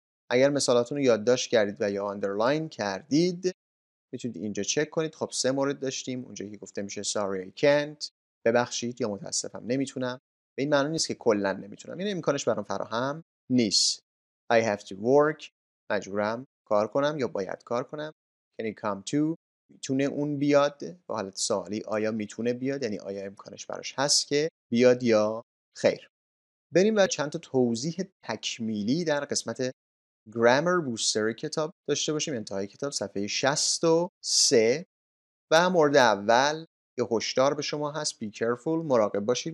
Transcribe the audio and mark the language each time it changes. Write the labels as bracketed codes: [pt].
[fa] اگر مثالاتون رو یادداشت کردید و یا underline کردید میتونید اینجا چک کنید. خب سه مورد داشتیم، اونجایی که گفته میشه [en] sorry I can't، [fa] ببخشید یا متاسفم نمیتونم. به این معنی نیست که کلا نمیتونم، این امکانش برام فراهم نیست. [en] I have to work، [fa] مجبورم کار کنم یا باید کار کنم. [en] Can he come to، [fa] میتونه اون بیاد. با حالت سوالی آیا میتونه بیاد، یعنی آیا امکانش براش هست که بیاد یا خیر. بریم و چند تا توضیح تکمیلی در قسمت Grammar Booster کتاب داشته باشیم، انتهای کتاب صفحه 63. و مورد اول یه هشدار به شما هست، [en] Be careful، [fa] مراقب باشید.